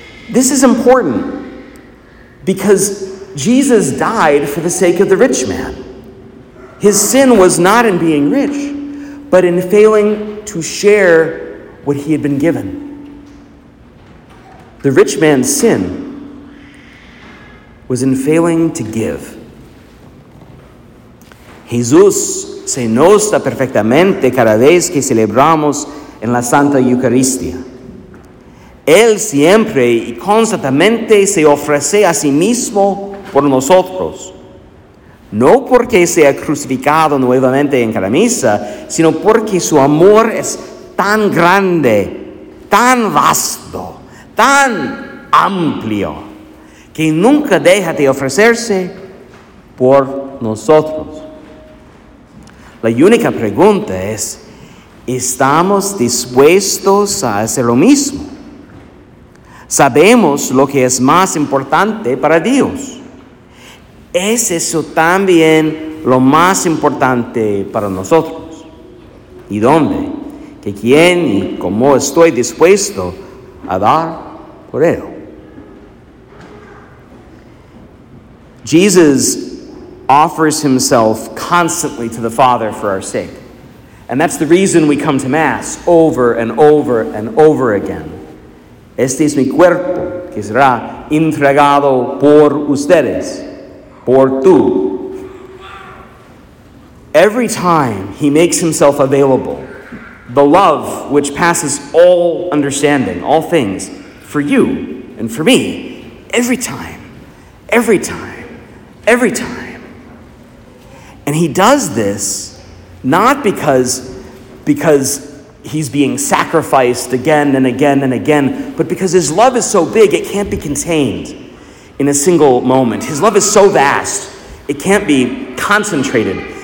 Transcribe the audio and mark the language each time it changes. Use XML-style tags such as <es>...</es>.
<en>This is important because Jesus died for the sake of the rich man. His sin was not in being rich, but in failing to share what he had been given. The rich man's sin was in failing to give.</en> <es>Jesús se nota perfectamente cada vez que celebramos en la Santa Eucaristía. Él siempre y constantemente se ofrece a sí mismo por nosotros. No porque sea crucificado nuevamente en cada misa, sino porque su amor es tan grande, tan vasto, tan amplio, que nunca deja de ofrecerse por nosotros. La única pregunta es, ¿estamos dispuestos a hacer lo mismo? Sabemos lo que es más importante para Dios. ¿Es eso también lo más importante para nosotros? ¿Y dónde? ¿Qué quién y cómo estoy dispuesto a dar por Él?</es> <en>Jesus offers Himself constantly to the Father for our sake. And that's the reason we come to Mass over and over and over again.</en> <es>Este es mi cuerpo que será entregado por ustedes, por tú.</es> <en>Every time He makes Himself available, the love which passes all understanding, all things, for you and for me, every time, every time, every time. And He does this not because He's being sacrificed again and again and again, but because His love is so big, it can't be contained in a single moment. His love is so vast, it can't be concentrated.</en>